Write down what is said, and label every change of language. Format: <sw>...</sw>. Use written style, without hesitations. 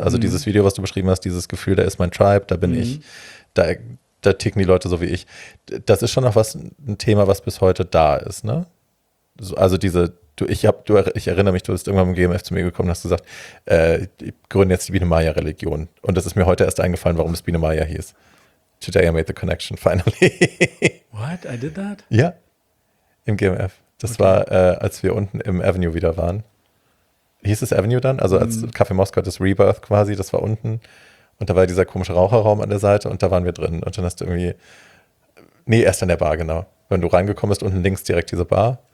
<de>Also dieses Video, was du beschrieben hast, dieses Gefühl, da ist mein Tribe, da bin ich, da ticken die Leute so wie ich. Das ist schon noch was, ein Thema, was bis heute da ist, ne? Also ich erinnere mich, du bist irgendwann im GMF zu mir gekommen und hast gesagt, ich gründe jetzt die Biene-Meier-Religion. Und das ist mir heute erst eingefallen, warum es Biene-Meier hieß.</de> <en>Today I made the connection, finally. What? I did that?</en> <de>Ja, im GMF. Das war, als wir unten im Avenue wieder waren. Hieß es Avenue dann? Also als Café Moskau, das Rebirth quasi, das war unten. Und da war dieser komische Raucherraum an der Seite und da waren wir drin. Und dann hast du irgendwie, erst an der Bar, genau. Wenn du reingekommen bist, unten links direkt diese Bar.</de>